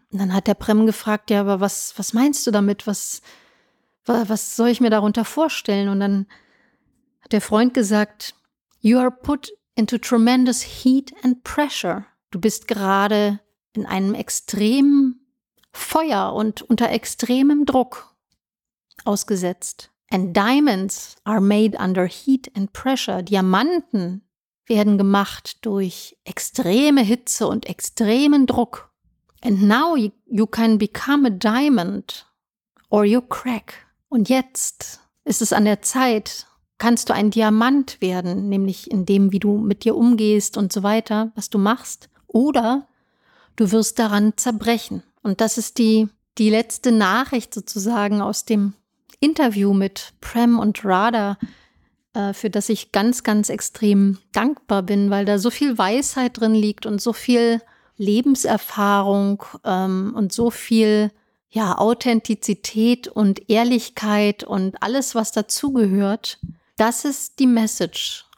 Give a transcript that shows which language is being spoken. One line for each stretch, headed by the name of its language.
German: Und dann hat der Prem gefragt, ja, aber was meinst du damit, was soll ich mir darunter vorstellen? Und dann hat der Freund gesagt,
English: you are put into tremendous heat and pressure.
German: Du bist gerade in einem extremen Feuer und unter extremem Druck ausgesetzt.
English: And diamonds are made under heat and pressure.
German: Diamanten werden gemacht durch extreme Hitze und extremen Druck.
English: And now you can become a diamond or you crack.
German: Und jetzt ist es an der Zeit, kannst du ein Diamant werden, nämlich in dem, wie du mit dir umgehst und so weiter, was du machst, oder du wirst daran zerbrechen. Und das ist die letzte Nachricht sozusagen aus dem Interview mit Prem und Radha, für das ich ganz, ganz extrem dankbar bin, weil da so viel Weisheit drin liegt und so viel Lebenserfahrung und so viel Authentizität und Ehrlichkeit und alles, was dazugehört, das ist die Message.